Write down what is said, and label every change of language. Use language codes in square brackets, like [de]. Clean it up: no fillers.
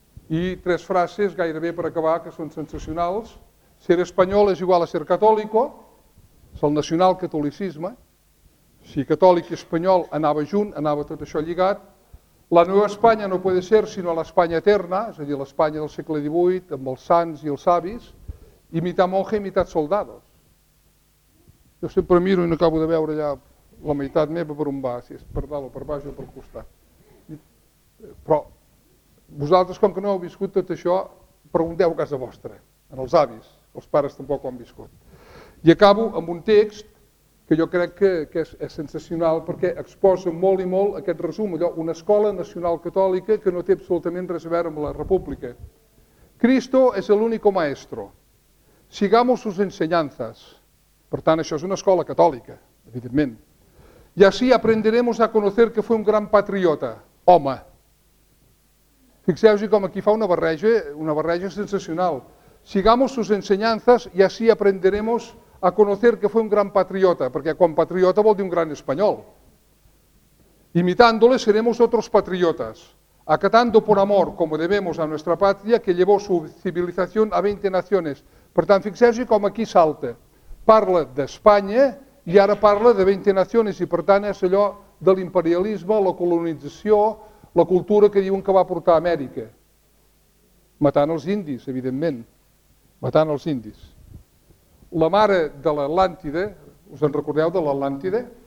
[ca] I tres frases gairebé per acabar, que són sensacionals. Ser espanyol és igual a ser catòlico, és el nacionalcatolicisme. Si catòlic i espanyol anava junt, anava tot això lligat. La nova Espanya [es] no puede ser [ca] sinó l'Espanya eterna, és a dir, l'Espanya del segle XVIII, amb els sants i els savis. [es] I mitad monje, mitad soldados. [ca] Jo sempre miro i no acabo de veure allà la meitat meva per on va, si és per dalt o per baix o per costat. Però vosaltres, com que no heu viscut tot això, pregunteu a casa vostra, als avis. Els pares tampoc ho han viscut. I acabo amb un text que jo crec que és sensacional, perquè exposa molt i molt aquest resum, allò, una escola nacional catòlica que no té absolutament res a veure amb la república. [es] Cristo es el único maestro. Sigamos sus enseñanzas. [ca] Per tant, això és una escola catòlica, evidentment. [es] Y así aprenderemos a conocer que fue un gran patriota. [ca] Home. Fixeu-vos com aquí fa una barreja sensacional. [es] Sigamos sus enseñanzas y así aprenderemos a conocer que fue un gran patriota, [ca] perquè quan patriota vol dir un gran espanyol. [es] Imitándole seremos otros patriotas, acatando por amor, como debemos a nuestra patria, que llevó su civilización a 20 naciones. [ca] Per tant, fixeu-vos com aquí salta. Parla d'Espanya i ara parla de 20 naciones, i per tant és allò de l'imperialisme, la colonització, la cultura que diuen que va portar a Amèrica. Matant els indis, evidentment. Matant els indis. La mare de l'Atlàntida, us en recordeu de l'Atlàntida?